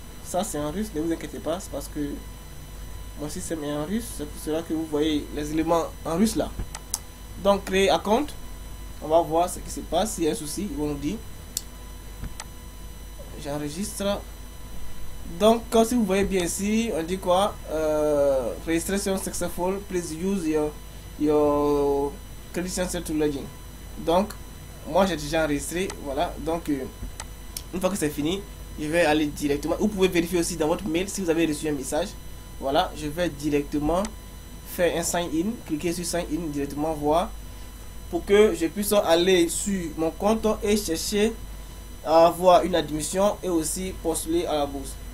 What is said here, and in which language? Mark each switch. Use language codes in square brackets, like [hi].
[fr] Ça c'est en russe, ne vous inquiétez pas, c'est parce que mon système est en russe. C'est pour cela que vous voyez les éléments en russe là. Donc créer account, on va voir ce qui se passe. S'il y a un souci, ils vont nous dire. J'enregistre. Donc, comme si vous voyez bien ici, on dit quoi? [en] Registration successful, please use your credential to login. [fr] Donc, moi j'ai déjà enregistré. Voilà. Donc, une fois que c'est fini, je vais aller directement. Vous pouvez vérifier aussi dans votre mail si vous avez reçu un message. Voilà. Je vais directement faire un sign-in. Cliquer sur sign-in directement, voir. Pour que je puisse aller sur mon compte et chercher à avoir une admission et aussi postuler à la bourse.